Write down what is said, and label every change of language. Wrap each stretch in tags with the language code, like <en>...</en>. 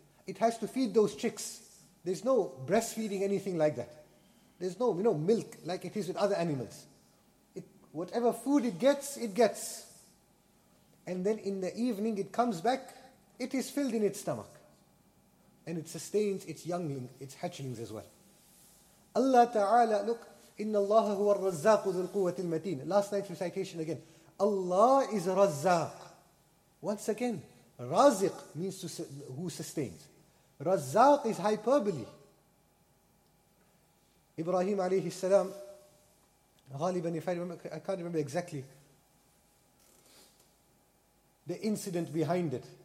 <en>It has to feed those chicks. There's no breastfeeding, anything like that. There's no, you know, milk like it is with other animals. Whatever food it gets, it gets. And then in the evening it comes back, it is filled in its stomach. And it sustains its youngling, its hatchlings as well. Allah Ta'ala, look,</en> <ar>إِنَّ اللَّهَ هُوَ الرَّزَّاقُ ذُو الْقُوَّةِ الْمَتِينَ.</ar> <en>Last night's recitation again. Allah is Razzaq. Once again, Raziq means to who sustains. Razzaq is hyperbole. Ibrahim alayhi salam, Ghaliban, if I remember, I can't remember exactly the incident behind it.</en>